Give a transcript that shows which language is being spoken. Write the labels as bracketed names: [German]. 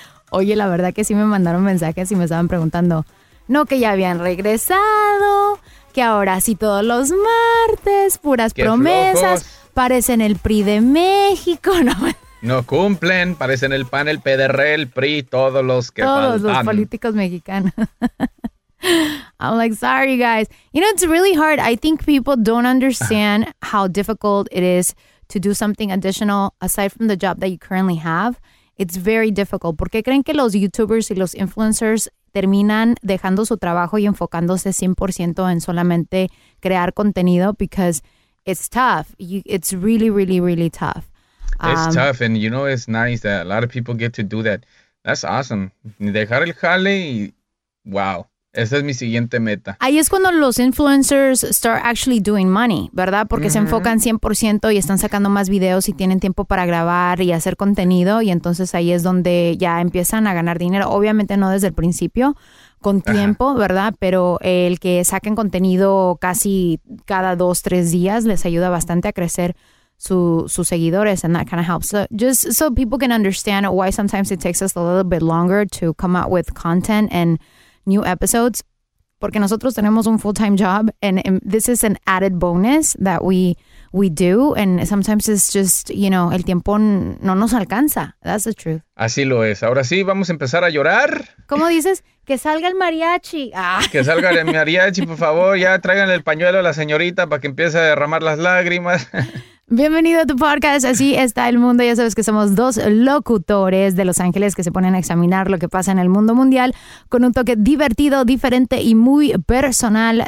[Spanish] Oye, la verdad que sí me mandaron mensajes y me estaban preguntando. No, que ya habían regresado. Que ahora sí todos los martes. Puras qué promesas. Flojos. Parecen el PRI de México. No, no cumplen. Parecen el PAN, el PDR, el PRI. Todos los que todos faltan. Los políticos mexicanos. [English] I'm like, sorry, guys. You know, it's really hard. I think people don't understand how difficult it is to do something additional aside from the job that you currently have. It's very difficult. [Spanish] ¿Por qué creen que los YouTubers y los influencers terminan dejando su trabajo y enfocándose 100% en solamente crear contenido? [English] Because it's tough. It's really, really, really tough. It's tough. And, you know, it's nice that a lot of people get to do that. That's awesome. [Spanish] Dejar el jale y wow. Esa es mi siguiente meta. Ahí es cuando los influencers [English] start actually doing money, [Spanish] ¿verdad? Porque se enfocan 100% y están sacando más videos y tienen tiempo para grabar y hacer contenido. Y entonces ahí es donde ya empiezan a ganar dinero. Obviamente no desde el principio, con tiempo, ¿verdad? Pero el que saquen contenido casi cada 2-3 días les ayuda bastante a crecer sus seguidores. [English] And that kind of helps. So just so people can understand why sometimes it takes us a little bit longer to come out with content and new episodes, [Spanish] porque nosotros tenemos un [English] full-time job, and this is an added bonus that we do, and sometimes it's just, you know, [Spanish] el tiempo no nos alcanza. [English] That's the truth. [Spanish] Así lo es. Ahora sí, vamos a empezar a llorar. ¿Cómo dices? Que salga el mariachi. Ah. Que salga el mariachi, por favor. Ya tráiganle el pañuelo a la señorita para que empiece a derramar las lágrimas. Bienvenido a tu podcast, Así Está el Mundo. Ya sabes que somos dos locutores de Los Ángeles que se ponen a examinar lo que pasa en el mundo mundial con un toque divertido, diferente y muy personal.